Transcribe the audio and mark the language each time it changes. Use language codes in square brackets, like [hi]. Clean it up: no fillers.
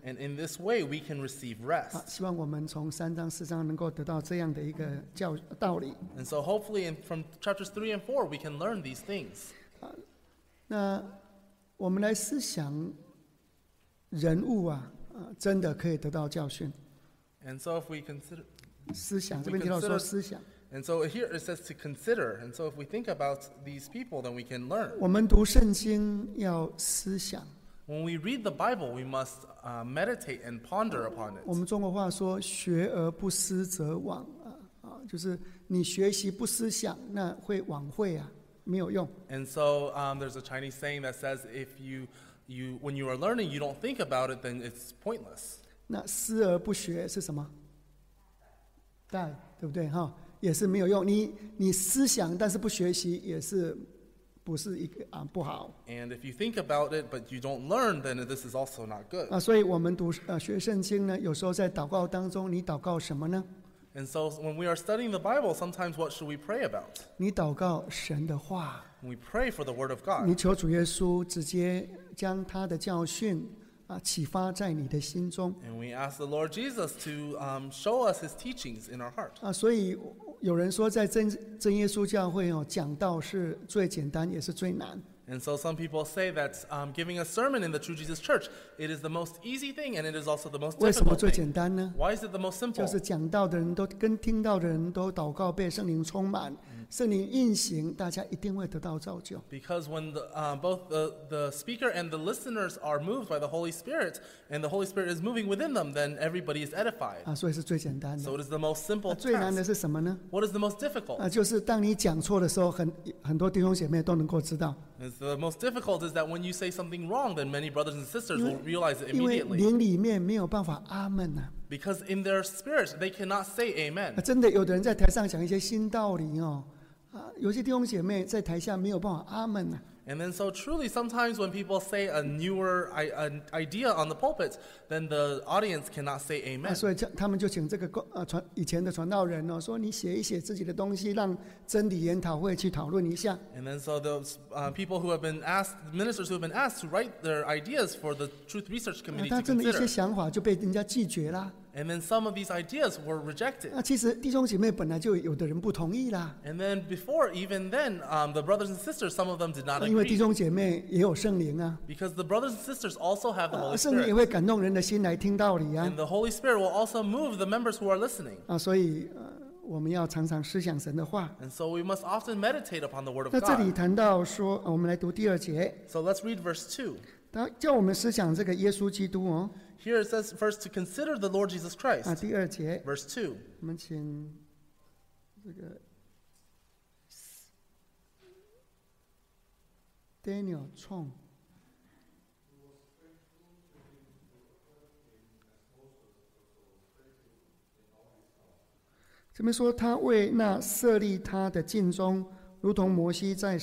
[en] And in this way, we can receive rest. [zh] 希望我们从三章四章能够得到这样的一个道理。 [en] And so hopefully, from chapters 3 and 4, we can learn these things. [zh] 那我们来思想人物啊，真的可以得到教训。 [en] And so if we consider [zh] 思想，这边提到说思想。 [en] And so here it says to consider. And so if we think about these people, then we can learn. [zh] 我们读圣经要思想。 [en] When we read the Bible, we must meditate and ponder upon it. [zh] 我们中国话说学而不思则罔啊啊，就是你学习不思想，那会枉费啊。 [en] And so there's a Chinese saying that says if you when you are learning you don't think about it then it's pointless. [zh] 那思而不学是什么？呆，对不对？哈，也是没有用。你思想但是不学习也是不是一个不好。 [en] And if you think about it but you don't learn then this is also not good. [zh] 啊，所以我们读学圣经呢，有时候在祷告当中，你祷告什么呢？ [en] And so when we are studying the Bible, sometimes what should we pray about? [zh] 你祷告神的话。 [en] We pray for the word of God. [zh] 你求主耶稣直接将他的教训启发在你的心中。 [en] And we ask the Lord Jesus to show us his teachings in our heart. [zh] 所以有人说在真耶稣教会讲道是最简单也是最难。 [en] And so some people say that giving a sermon in the True Jesus Church, it is the most easy thing and it is also the most difficult thing. [zh] 为什么最简单呢？ [en] Why is it the most simple? [zh] 就是讲道的人都跟听到的人都祷告被圣灵充满，圣灵运行，大家一定会得到造就。 [en] Because when both the speaker and the listeners are moved by the Holy Spirit, and the Holy Spirit is moving within them, then everybody is edified. [zh] 所以是最简单的。 [en] So it is the most simple task. [zh] 最难的是什么呢？ [en] What is the most difficult? [zh] 就是当你讲错的时候，很多弟兄姐妹都能够知道。 [en] The most difficult is that when you say something wrong, then many brothers and sisters will realize it immediately. [zh] 因为灵里面没有办法阿们啊。 [en] Because in their spirit, they cannot say amen. [zh] 真的，有的人在台上讲一些新道理哦。有些弟兄姐妹在台下没有办法阿们啊。 [en] And then so truly, sometimes when people say a newer idea on the pulpit, then the audience cannot say amen. [zh] 所以他们就请这个以前的传道人哦，说你写一写自己的东西，让真理研讨会去讨论一下。 [en] And then so those people who have been asked, ministers who have been asked to write their ideas for the Truth Research Committee to consider. [zh] 他真的一些想法就被人家拒绝了。 [en] And then some of these ideas were rejected. [zh] 其实弟兄姐妹本来就有的人不同意啦。 [en] And then before even then, the brothers and sisters, some of them did not agree. [zh] 因为弟兄姐妹也有圣灵啊。 [en] Because the brothers and sisters also have the Holy Spirit. [zh] 圣灵也会感动人的心来听道理啊。 [en] And the Holy Spirit will also move the members who are listening. [zh] 所以我们要常常思想神的话。 [en] And so we must often meditate upon the word of God. [zh] 那这里谈到说，我们来读第二节。 [en] So let's read verse 2. [zh] 他叫我们思想这个耶稣基督哦。 [en] Here it says first to consider the Lord Jesus Christ. [zh] 第二节 [en] Verse 2. [zh] 我们请这个 Daniel Chong. [en] He was faithful to him in the first and all his house. [zh] 这边说他为那设立他的敬忠，如同摩西